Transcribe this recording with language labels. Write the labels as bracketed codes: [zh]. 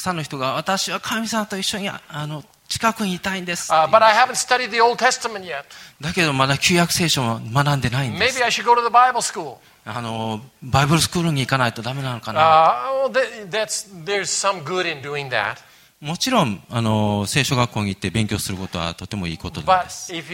[ja] さんの人が私は神様と一緒に近くにいたいんです。 [en] But I haven't studied the Old Testament yet. [ja] だけどまだ旧約聖書も学んでないんです。 [en] Maybe I should go to the Bible school. [ja] バイブルスクールに行かないとダメなのかな。 [en] There's some good in doing that. [ja] もちろん聖書学校に行って勉強することはとてもいいことなんです。